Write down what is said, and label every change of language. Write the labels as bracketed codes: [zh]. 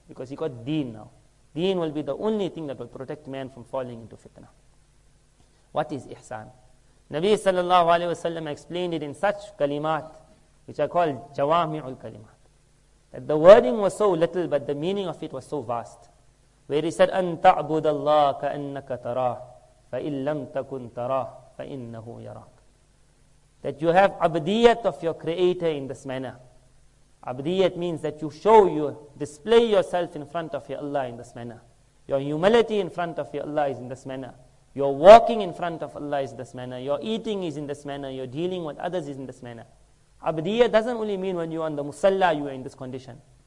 [en] Because he got deen now. Deen will be the only thing that will protect man from falling into fitna. What is ihsan? Nabi sallallahu alayhi wa sallam explained it in such kalimat, which are called jawami'ul kalimat. That the wording was so little, but the meaning of it was so vast. Where he said, [ar] أَن تَعْبُدَ اللَّهَ كَأَنَّكَ تَرَاهُ فَإِن لَمْ تَكُنْ تَرَاهُ فَإِنَّهُ يَرَاكُ. [en] That you have abdiyat of your creator in this manner. Abdiyat means that you show, you display yourself in front of your Allah in this manner. Your humility in front of your Allah is in this manner. Your walking in front of Allah is in this manner. Your eating is in this manner. Your dealing with others is in this manner. Abdiyat doesn't only mean when you're on the musalla, you are in this condition.